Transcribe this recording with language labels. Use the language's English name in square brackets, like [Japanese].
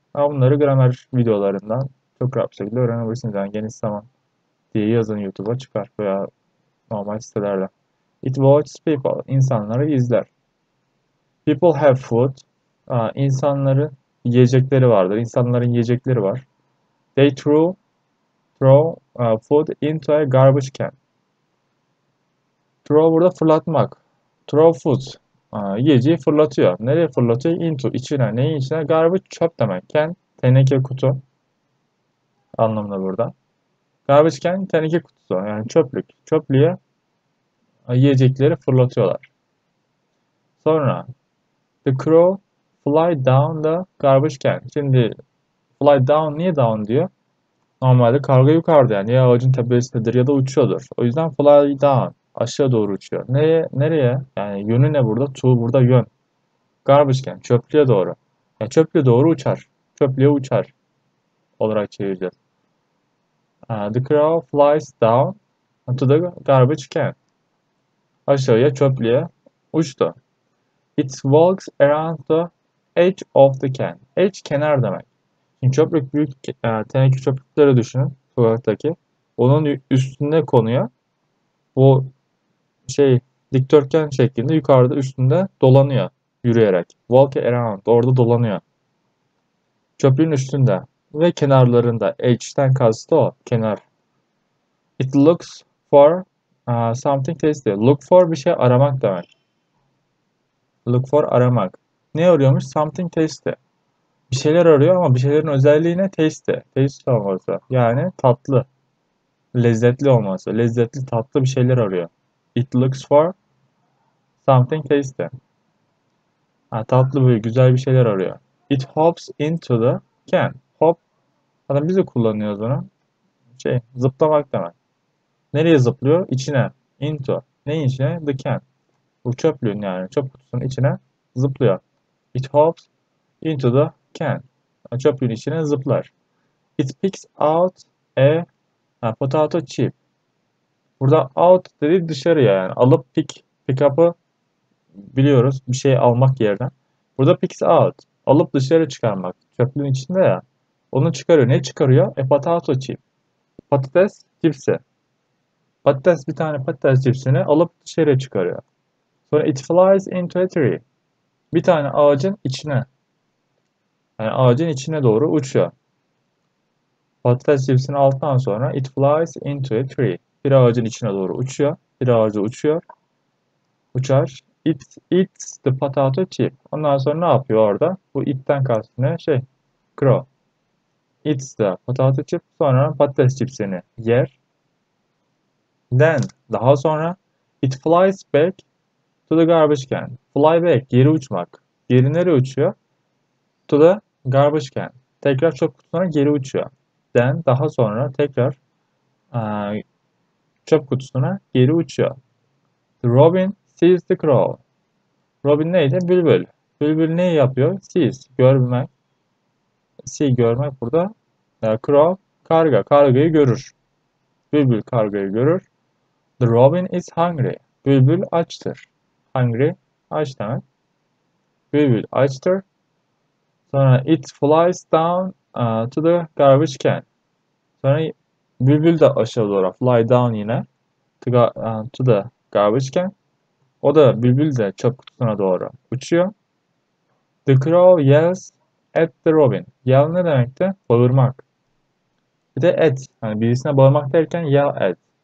[Turkish] Ama bunları gramer videolarından çok rahat bir şekilde öğrenebilirsiniz. Yani geniş zaman diye yazın YouTube'a çıkar veya normal sitelerde. [English] It watches people. [Turkish] İnsanları izler. [English] People have food. [Turkish] İnsanların yiyecekleri vardır. İnsanların yiyecekleri var. [English] They throw food into a garbage can. [Turkish] Throw burada fırlatmak. [English] Throw food. [Turkish] Yiyeceği fırlatıyor. Nereye fırlatıyor? Into. İçine. Neyin içine? Garbage çöp demek. Can. Teneke kutu. Anlamda burada. Garbage can. Teneke kutusu. Yani çöplük. Çöplüğe yiyecekleri fırlatıyorlar. Sonra. [English] The crow fly down the garbage can. [Turkish] Şimdi fly down niye down diyor? Normalde karga yukarıda yani ya ağacın tepesindedir ya da uçuyordur. O yüzden fly down aşağı doğru uçuyor. Nereye? Yani yönü ne burada? To burada yön. Garbage can çöplüğe doğru. Ya yani çöplüğe doğru uçar. Çöplüğe uçar olarak çevireceğiz. [English] The crow flies down to the garbage can. [Turkish] Aşağıya çöplüğe uçtu. [English] It walks around the edge of the can. Edge kenar demek. [Turkish] Şimdi çöplük büyük teneke çöplükleri düşünün sokaktaki. Onun üstünde konuyor. Bu şey dikdörtgen şeklinde yukarıda üstünde dolanıyor yürüyerek. Walk around orada dolanıyor. Çöplüğün üstünde ve kenarlarında. Edge'den kastı o kenar. [English] It looks for something tasty. [Turkish] Look for bir şey aramak demek. Look for aramak. Ne arıyormuş? [English] Something tasty. [Turkish] Bir şeyler arıyor ama bir şeylerin özelliği ne? Tasty. Tasty olması. Yani tatlı. Lezzetli olması. Lezzetli tatlı bir şeyler arıyor. [English] It looks for something tasty. [Turkish] Ha, tatlı böyle güzel bir şeyler arıyor. [English] It hops into the can. [Turkish] Hop. Adam biz de kullanıyoruz onu. Şey, zıplamak demek. Nereye zıplıyor? İçine. Into. Neyin içine? The can. Bu çöplüğün yani çöp kutusunun içine zıplıyor. [English] It hops into the can. [Turkish] Çöplüğün içine zıplar. [English] It picks out a potato chip. [Turkish] Burada out dedi dışarıya yani alıp pick up'ı biliyoruz bir şey almak yerden. Burada picks out alıp dışarı çıkarmak. Çöplüğün içinde ya. Onu çıkarıyor. Ne çıkarıyor? A potato chip. Patates cipsi. Patates bir tane patates cipsini alıp dışarı çıkarıyor. [English] Sonra it flies into a tree. [Turkish] Bir tane ağacın içine. Yani ağacın içine doğru uçuyor. Patates cipsini aldıktan sonra [English] it flies into a tree. [Turkish] Bir ağacın içine doğru uçuyor. Bir ağaca uçuyor. Uçar. [English] It eats the potato chip. [Turkish] Ondan sonra ne yapıyor orada? Bu itten kastı ne? Şey. Crow. It's the potato chip. Sonra patates cipsini yer. Then. Daha sonra. [English] It flies back to the garbage can. [Turkish] Fly back, geri uçmak. Geri nereye uçuyor? [English] To the garbage can. [Turkish] Tekrar çöp kutusuna geri uçuyor. Then daha sonra tekrar Çöp kutusuna geri uçuyor. [English] Robin sees the crow. [Turkish] Robin neydi? Bülbül. Bülbül ne yapıyor? Sees, görmek. See, görmek burada. Crow, karga. Kargayı görür. Bülbül kargayı görür. [English] The robin is hungry. [Turkish] Bülbül açtır. Hungry, aç demek. Bülbül açtır. [English] Sonra it flies down to the garbage can. [Turkish] Sonra bülbül de aşağı doğru fly down yine [English] to the garbage can. [Turkish] O da bülbül de çöp kutusuna doğru uçuyor. [English] The crow yells at the robin. [Turkish] Yell ne demekti? Bağırmak. Bir de at. Yani birisine bağırmak derken yell at.